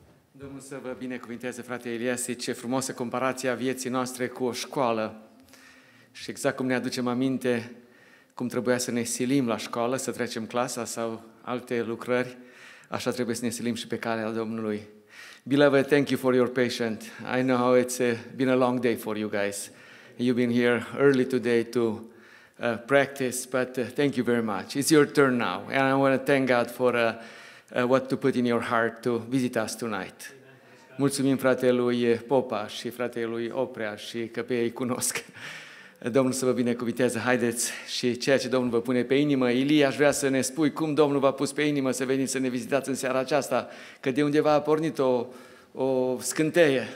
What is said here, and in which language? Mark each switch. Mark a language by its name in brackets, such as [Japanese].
[Romanian] Domnul să vă binecuvinteze, frate Iliesi, ce frumoasă comparația vieții noastre cu o școală. Și exact cum ne aducem aminte cum trebuia să ne silim la școală, să trecem clasa sau alte lucrări, așa trebuie să ne silim și pe calea Domnului. [English] Beloved, thank you for your patience. I know how it's been a long day for you guys. You've been here early today to practice, but thank you very much. It's your turn now, and I want to thank God for what to put in your heart to visit us tonight. [Romanian] Mulțumim fratelui Popa și fratelui Oprea și că pe ei cunosc. Domnul să vă binecuvinteze, haideți, și ceea ce Domnul vă pune pe inimă. Ilie, aș vrea să ne spui cum Domnul v-a pus pe inimă să veniți să ne vizitați în seara aceasta, că de undeva a pornit o scânteie.